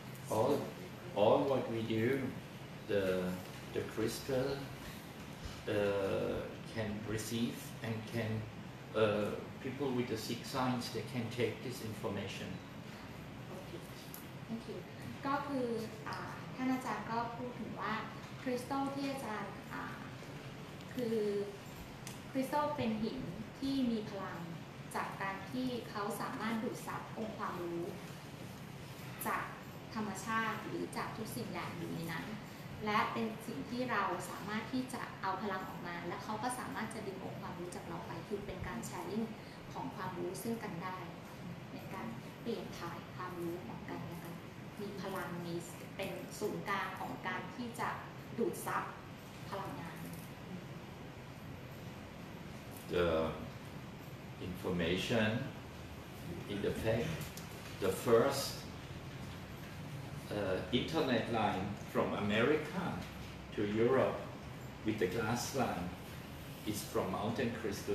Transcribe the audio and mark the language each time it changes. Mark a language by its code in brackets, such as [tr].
[en] All what we do, the crystal can receive and can people with the six signs they can take this information. Thank you. [th] ก็คือท่านอาจารย์ก็พูดถึงว่าคริสตัลที่อาจารย์คือคริสตัลเป็นหินที่มีพลังจากการที่เขาสามารถดูดซับองค์ความรู้ จากธรรมชาติหรือจากทุกสิ่งอย่างอยู่ในนั้นและเป็นสิ่งที่เราสามารถที่จะเอาพลังออกมาแล้วเขาก็สามารถจะดึงองค์ความรู้จากเราไปคือเป็นการแชร์ลิงของความรู้ซึ่งกันได้ในการเปลี่ยนถ่ายความรู้ของกันและกันมีพลังมีเป็นศูนย์กลางของการที่จะดูดซับพลังงาน [en] The information in the pack the firstInternet line from America to Europe with the glass line is from mountain crystal.